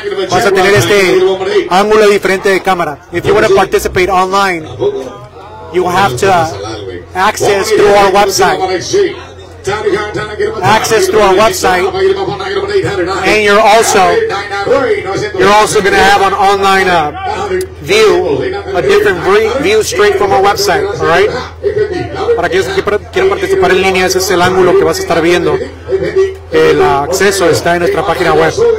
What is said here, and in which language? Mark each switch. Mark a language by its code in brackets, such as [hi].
[es] Vas a tener este ángulo diferente de cámara. [en] If you want to participate online, you have to access through our website. Access through our website, and you're also going to have an online view, a different view straight from our website. All right. [es] Para aquellos que quieran participar en línea, ese es el ángulo que vas a estar viendo. El acceso está en nuestra página web.